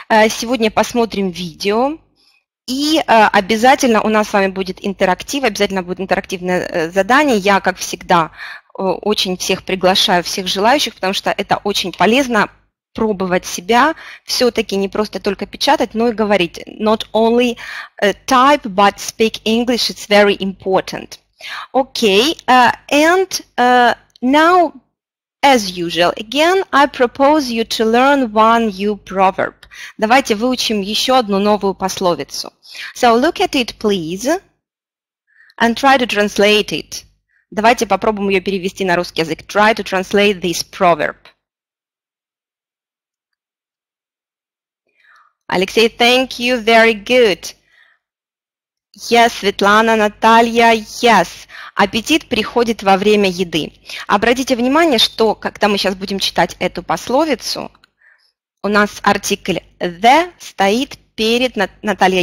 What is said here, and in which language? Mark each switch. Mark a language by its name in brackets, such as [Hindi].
[Russian] Сегодня посмотрим видео. И обязательно у нас с вами будет интерактив, обязательно будет интерактивное задание. Я, как всегда, очень всех приглашаю, всех желающих, потому что это очень полезно пробовать себя. Все-таки не просто только печатать, но и говорить. [English] Not only type, but speak English. It's very important. Okay, and now, as usual, again, I propose you to learn one new proverb. [Russian] Давайте выучим еще одну новую пословицу. [English] So, look at it, please, and try to translate it. [Russian] Давайте попробуем ее перевести на русский язык. [English] Try to translate this proverb. Алексей, thank you, very good. Yes, Светлана, Наталья, yes. [Russian] Аппетит приходит во время еды. Обратите внимание, что когда мы сейчас будем читать эту пословицу, у нас артикль the стоит перед Наталья.